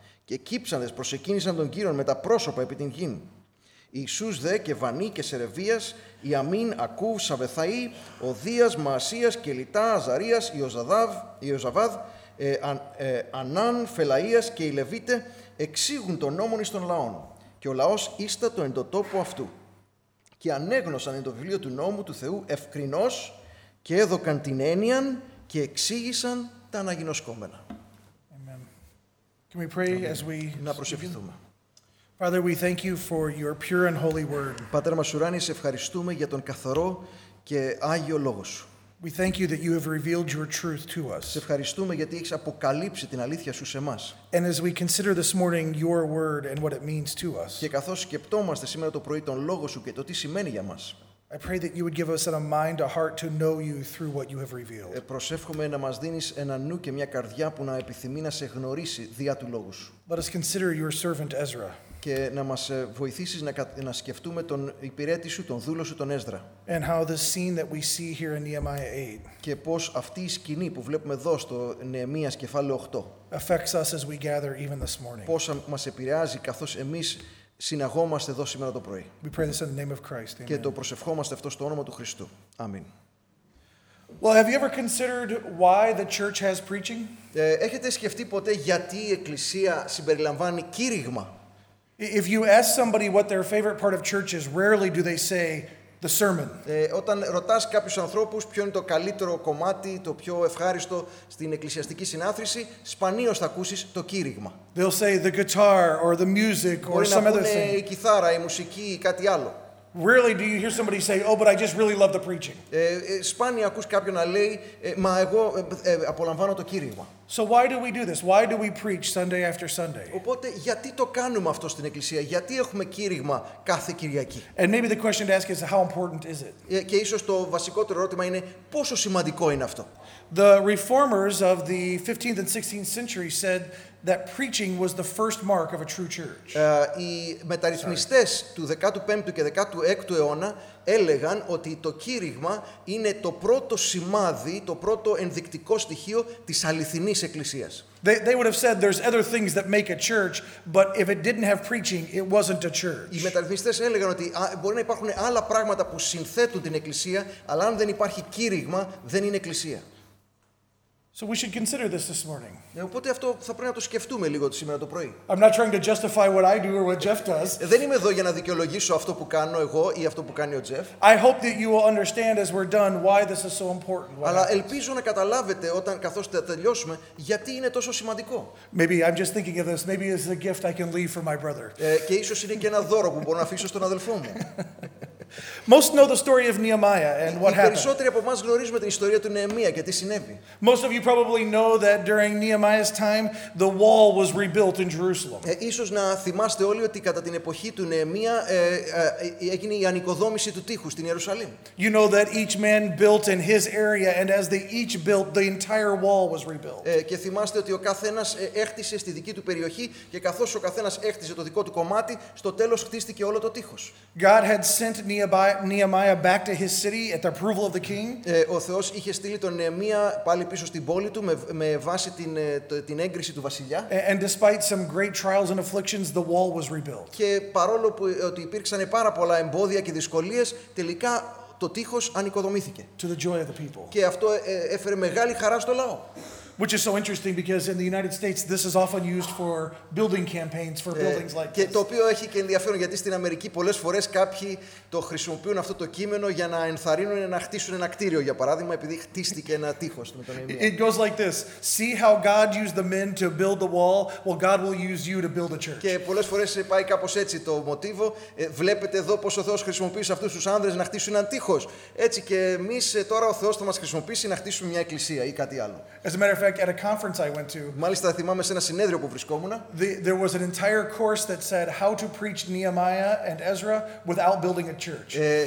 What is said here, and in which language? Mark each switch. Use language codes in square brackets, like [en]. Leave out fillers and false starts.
[el] Και κύψανδες προσεκίνησαν τον Κύριον με τα πρόσωπα επί την γην. Ιησούς δε και Βανί και Σερεβίας, Ιαμίν, Ακούβ, Σαβεθαΐ, Οδίας, Μαασίας, Κελιτά, Αζαρίας, Ιωζαβάδ, Ανάν, Φελαΐας και οι Λεβίτε εξήγουν τον νόμον εις τον λαόν. Και ο λαός ίστατο εν το τόπο αυτού. Και ανέγνωσαν εν το βιβλίο του νόμου του Θεού ευκρινώς και έδωκαν την έννοια και εξήγησαν τα αναγινοσκόμενα. [en] Can we pray as we [el] να προσευχηθούμε. [en] Father, we thank you for your pure and holy word. [el] Πατέρα μας ουράνιε, ευχαριστούμε για τον καθαρό και άγιο λόγο σου. [en] We thank you that you have revealed your truth to us. [el] Σε ευχαριστούμε γιατί έχεις αποκαλύψει την αλήθεια σου σε μας. [en] And as we consider this morning your word and what it means to us. [el] Και καθώς σκεπτόμαστε σήμερα το πρωί τον λόγο σου και το τι σημαίνει για μας. [en] I pray that you would give us a mind, a heart to know you through what you have revealed. [el] Προσεύχομαι να μας δίνεις ένα νου και μια καρδιά που να επιθυμεί να σε γνωρίσει διά του λόγου σου. [en] Let us consider your servant Ezra. [el] Και να μας βοηθήσεις να σκεφτούμε τον υπηρέτη σου, τον δούλο σου, τον Έσδρα. [en] And how the scene that we see here in Nehemiah 8. [el] Και πώς αυτή η σκηνή που βλέπουμε εδώ στο Νεεμίας κεφάλαιο 8. [en] Affects us as we gather even this morning. [el] Πώς μας επηρεάζει καθώς εμείς συναγόμαστε εδώ σήμερα το πρωί. [en] We pray this in the name of Christ. Amen. [el] Και το προσευχόμαστε αυτό στο όνομα του Χριστού. Αμήν. [en] Well, have you ever considered why the church has preaching? [el] Έχετε σκεφτεί ποτέ γιατί η εκκλησία συμπεριλαμβάνει κήρυγμα? [en] If you ask somebody what their favorite part of church is, rarely do they say the sermon. [el] Όταν ρωτάς κάποιους ανθρώπους ποιο είναι το καλύτερο κομμάτι, το πιο ευχάριστο στην εκκλησιαστική συνάθρηση, σπανίως θα ακούσεις το κήρυγμα. [en] They'll say the guitar or the music or [el] μπορεί [en] some other thing. [el] Η κιθάρα, η μουσική ή κάτι άλλο. [en] Rarely do you hear somebody say, "Oh, but I just really love the preaching." [el] Σπάνια ακούς κάποιον να λέει, μα εγώ απολαμβάνω το κήρυγμα. [en] So why do we do this? Why do we preach Sunday after Sunday? [el] Οπότε γιατί το κάνουμε αυτό στην εκκλησία; Γιατί έχουμε κήρυγμα κάθε Κυριακή; [en] And maybe the question to ask is, how important is it? [el] Και ίσως το βασικότερο ερώτημα είναι πόσο σημαντικό είναι αυτό. [en] The reformers of the 15th and 16th century said that preaching was the first mark of a true church. [el] Οι μεταρρυθμιστές του 15ου και 16ου αιώνα έλεγαν ότι το κήρυγμα είναι το πρώτο σημάδι, το πρώτο ενδεικτικό στοιχείο της αληθινής εκκλησίας. [en] They would have said there's other things that make a church, but if it didn't have preaching, it wasn't a church. [el] Οι μεταρρυθμιστές έλεγαν ότι μπορεί να υπάρχουν άλλα πράγματα που συνθέτουν την εκκλησία, αλλά αν δεν υπάρχει κήρυγμα, δεν είναι εκκλησία. [en] So we should consider this morning. [el] Οπότε αυτό θα πρέπει να το σκεφτούμε λίγο σήμερα το πρωί. [en] I'm not trying to justify what I do or what Jeff does. [el] Δεν είμαι εδώ για να δικαιολογήσω αυτό που κάνω εγώ ή αυτό που κάνει ο Jeff. [en] I hope that you will understand as we're done why this is so important. [el] Αλλά ελπίζω να καταλάβετε όταν καθώς τελειώσουμε γιατί είναι τόσο σημαντικό. [en] Maybe I'm just thinking of this. Maybe it's a gift I can leave for my brother. [el] Και ίσως είναι και ένα δώρο που μπορώ να αφήσω στον αδελφό μου. [en] Most know the story of Nehemiah and what happened. [el] Περισσότεροι από εμάς γνωρίζουμε την ιστορία του Νεεμία και τι συνέβη. [en] Most of you probably know that during Nehemiah's time, the wall was rebuilt in Jerusalem. [el] Ίσως να θυμάστε όλοι ότι κατά την εποχή του Νεεμία έγινε η ανοικοδόμηση του τείχου στην Ιερουσαλήμ. [en] You know that each man built in his area, and as they each built, the entire wall was rebuilt. [el] Και θυμάστε ότι ο καθένας έχτισε στη δική του περιοχή και καθώς ο καθένας έχτισε το δικό του κομμάτι, στο τέλος χτίστηκε όλο το τείχος. [en] God had sent Nehemiah back to his city at the approval of the king. [el] Ο Θεός είχε στείλει τον Νεεμία πάλι πίσω στην πόλη του με βάση την έγκριση του βασιλιά. [en] And despite some great trials and afflictions, the wall was rebuilt. [el] Και παρόλο που ότι υπήρξαν πάρα πολλά εμπόδια και δυσκολίες, τελικά το τείχος ανοικοδομήθηκε. [en] To the joy of the people. [el] Και αυτό έφερε μεγάλη χαρά στο λαό. [en] Which is so interesting because in the United States this is often used for building campaigns for buildings like this. [el] Και το οποίο έχει και ενδιαφέρον γιατί στην Αμερική πολλές φορές κάποιοι το χρησιμοποιούν αυτό το κείμενο για να ενθαρρύνουν να χτίσουν ένα κτίριο, για παράδειγμα, επειδή χτίστηκε ένα τείχος με τον Νεεμία. [en] It goes like this: See how God used the men to build the wall? Well, God will use you to build a church. [el] Και πολλές φορές πάει κάπως έτσι το μοτίβο. Βλέπετε εδώ πως ο Θεός χρησιμοποιεί αυτούς τους άνδρες να χτίσουν ένα τείχος. Έτσι και εμείς τώρα ο Θεός θα μας χρησιμοποιήσει να χτίσουμε μια εκκλησία ή κάτι άλλο. [en] At a conference I went to, [el] μάλιστα θυμάμαι σε ένα συνέδριο που βρισκόμουνα, [en] there was an entire course that said how to preach Nehemiah and Ezra without building a church.